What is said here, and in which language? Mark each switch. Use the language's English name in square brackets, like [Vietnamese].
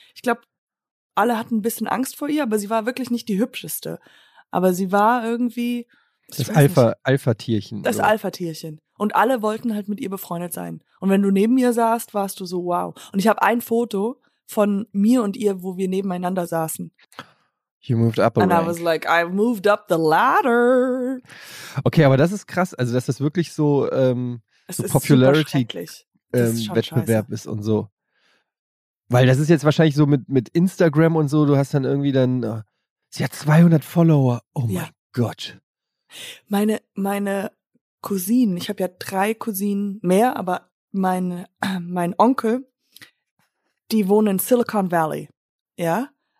[German] Ich glaube, alle hatten ein bisschen Angst vor ihr, aber sie war wirklich nicht die hübscheste. Aber sie war irgendwie Das Alpha-Tierchen. Das Alpha-Tierchen. Und alle wollten halt mit ihr befreundet sein. Und wenn du neben ihr saßt, warst du so, wow. Und ich habe ein Foto von mir und ihr, wo wir nebeneinander saßen. [English] You moved up a And rank. I was like, I moved up the ladder. [German] Okay, aber das ist krass. Also, dass das wirklich so, so Popularity Wettbewerb ist und so. Weil das ist jetzt wahrscheinlich so mit Instagram und so, du hast dann irgendwie dann, sie hat 200 Follower. Oh mein Gott. Meine Cousine, ich habe ja drei Cousinen mehr, aber mein Onkel, die wohnen in Silicon Valley, ja.